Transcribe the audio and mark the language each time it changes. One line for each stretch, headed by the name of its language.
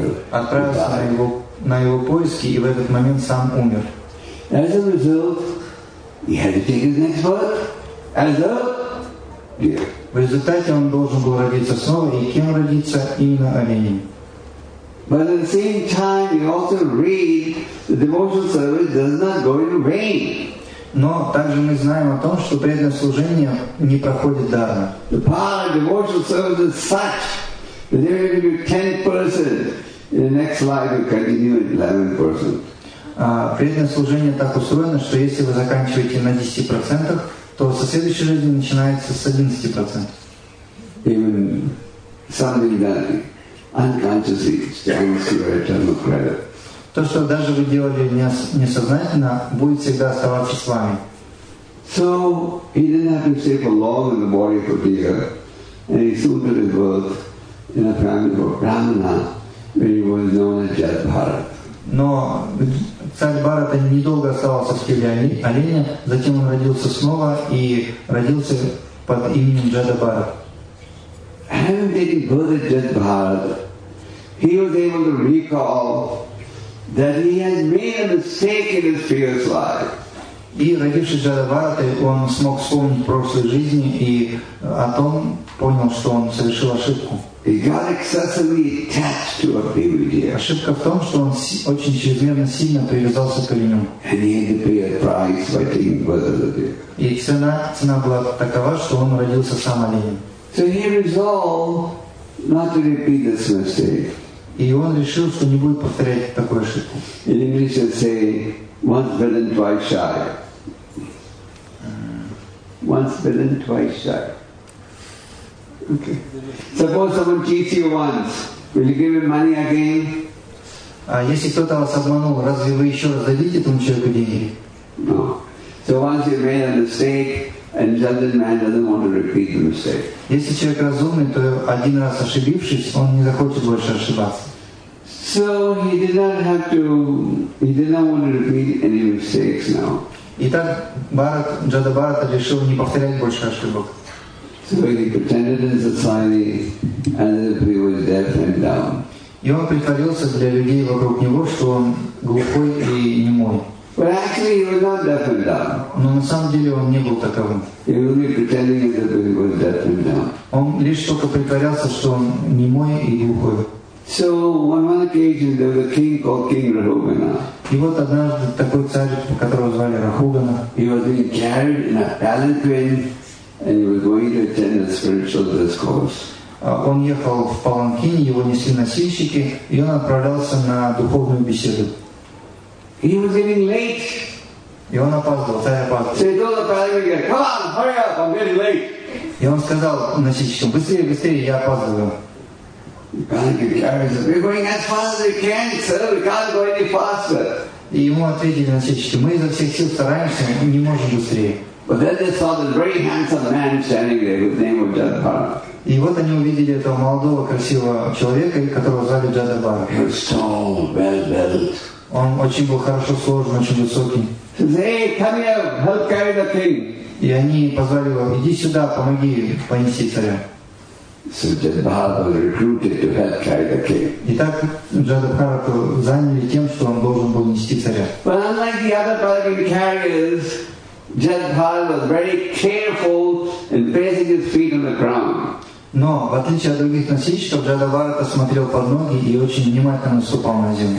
Russian: Отправился на его поиски и в этот момент сам умер.
English: As a result, he had to take his next birth as a deer.
Russian: В результате он должен был родиться снова, и кем родиться? Именно оленем.
English: But at the same time, you also read the devotional service does not go in vain.
Russian: Но также мы знаем о том, что преданное служение не проходит даром.
English: The power of devotional service is such that there are going to be 10 persons in the next life and continue in 11 persons.
Russian: Преданное служение так устроено, что если вы заканчиваете на 10%, то со следующей жизни начинается с 11%.
English: Even something that unconsciously stands to your eternal credit.
Russian: То, что даже вы делали несознательно, будет всегда оставаться с вами.
English: So he didn't have to stay for long in the body of a deer, and he soon did his work in a family of Brahmana, where he was known as Jat Bharat.
Russian: Но царь Бхарата недолго оставался в теле оленя, затем он родился снова и родился под именем Джада Бхарата.
English: Having taken birth at Jat Bharat, he was able to recall that he had made a mistake in his previous life.
Russian: И родившись в Джада Бхарате, он смог вспомнить прошлой жизни и о том понял, что он совершил ошибку.
English: He got excessively attached to a baby deer.
Russian: Ошибка в том, что он очень чрезмерно сильно привязался к оленю.
English: And he had to pay a price by taking birth of the deer.
Russian: И цена была такова, что он родился сам оленем.
English: So he resolved not to repeat this mistake.
Russian: И он решил, что не будет повторять такую ошибку.
English: In English they say, once bitten, twice shy. Once bitten, twice shy. Okay. Suppose someone cheats you once, will you give him money again?
Russian: Если кто-то вас обманул, разве вы еще раз дадите этому человеку деньги?
English: No. So once you made a mistake, an intelligent man doesn't want to repeat the mistake.
Russian: Если человек разумный, то один раз ошибившись, он не захочет больше ошибаться.
English: So he did not want to repeat any mistakes now.
Russian: Итак, Джада Бхарата решил не повторять больше ошибок.
English: So he pretended in society as if he was deaf and dumb.
Russian: И он притворился для людей вокруг него, что он глухой и немой.
English: But actually he was not deaf and dumb.
Russian: Но на самом деле он не был таковым.
English: He was only pretending as if he was deaf and dumb.
Russian: Он лишь только притворялся, что он немой и глухой.
English: So on one occasion there was a king called King Rahugana.
Russian: И вот однажды такой царь, которого звали Рахугана.
English: He was being carried in a palanquin. And he was going to attend a spiritual discourse.
Russian: Он ехал в паланкине, его несли носильщики, и он отправлялся на духовную беседу.
English: He was getting late.
Russian: И он опаздывал, царь опаздывал.
English: So he told the palanquin, "Come on, hurry up, I'm getting late."
Russian: И он сказал носильщикам, "Быстрее, быстрее, я опаздываю."
English: The palanquin carried him. "We're going as fast as we can, sir. We can't go any faster."
Russian: И ему ответили носильщики, "Мы изо всех сил стараемся, мы не можем быстрее."
English: But then they saw this very handsome man standing there with the name of Jat Bharat.
Russian: И вот они увидели этого молодого красивого человека, которого звали Джат Бхарат.
English: He was tall, well-built.
Russian: Он очень был хорошо сложен, очень высокий.
English: He says, "Hey, come here, help carry the king."
Russian: И они позвали его, иди сюда, помоги понести царя.
English: So Jat Bharat was recruited to help carry the king.
Russian: Итак, Джат Бхарат заняли тем, что он должен был нести царя.
English: But unlike the other palanquin carriers, Jagdhal was very careful in placing his feet on the ground.
Russian: Но в отличие от других носильщиков, Джагадхарата смотрел под ноги и очень внимательно ступал на землю.